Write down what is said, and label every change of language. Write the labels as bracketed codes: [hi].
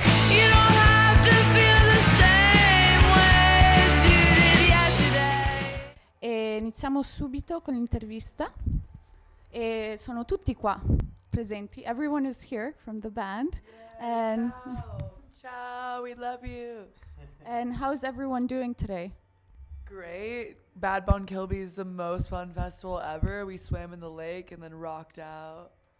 [en] You don't have to feel the same way as you did yesterday. [it] E iniziamo subito con l'intervista. E sono tutti qua. Presenti. [en] Everyone is here from the band. Yeah, and ciao. Ciao, we love you. And how's everyone doing today? Great. Bad Bon Kilby is the most fun festival ever. We swam in the lake and then rocked out.